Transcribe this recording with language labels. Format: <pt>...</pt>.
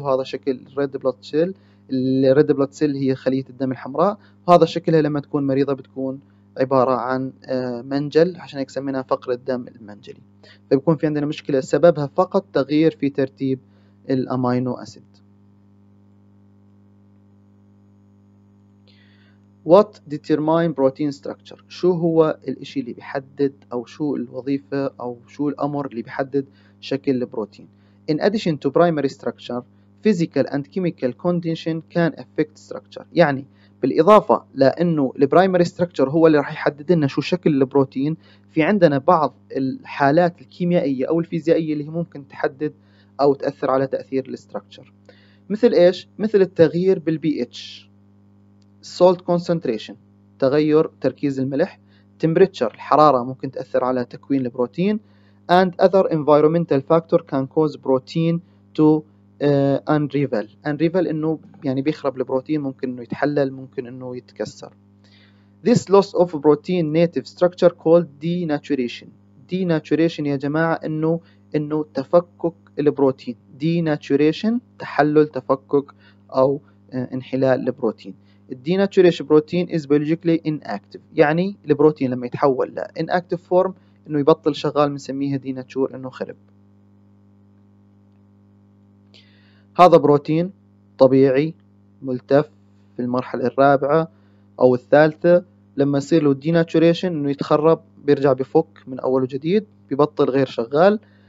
<ar>وهذا شكل الريد بلود سيل، الريد بلود سيل هي خليه الدم الحمراء، وهذا شكلها لما تكون مريضه، بتكون عباره عن منجل، عشان هيك سميناها فقر الدم المنجلي. فبيكون في عندنا مشكله سببها فقط تغيير في ترتيب الامينو اسيد.</ar> <en>What determine protein structure؟</en> <ar>شو هو الاشي اللي بيحدد، او شو الوظيفه، او شو الامر اللي بيحدد شكل البروتين؟</ar> <en>In addition to primary structure, physical and chemical condition can affect structure.</en> <ar>يعني بالإضافة لأنه البرايمري ستراكشر هو اللي راح يحدد لنا شو شكل البروتين، في عندنا بعض الحالات الكيميائية أو الفيزيائية اللي ممكن تحدد أو تأثر على تأثير الستراكشر. مثل إيش؟ مثل التغيير بالبي اتش، salt concentration، تغير تركيز الملح، temperature، الحرارة ممكن تأثر على تكوين البروتين.</ar> <en>And other environmental factor can cause protein to</en> <ar>انريفل. انريفل انه يعني بيخرب البروتين، ممكن انه يتحلل، ممكن انه يتكسر.</ar> <en>This loss of protein native structure called denaturation.</en> <ar>Denaturation يا جماعة انه تفكك البروتين. Denaturation تحلل، تفكك او انحلال البروتين.</ar> <en>Denaturation protein is biologically inactive.</en> <ar>يعني البروتين لما يتحول ل inactive form انه يبطل شغال بنسميها denature، انه خرب. هذا بروتين طبيعي ملتف في المرحلة الرابعة او الثالثة، لما يصير له denaturation انه يتخرب بيرجع بفك من اول وجديد، بيبطل غير شغال.</ar>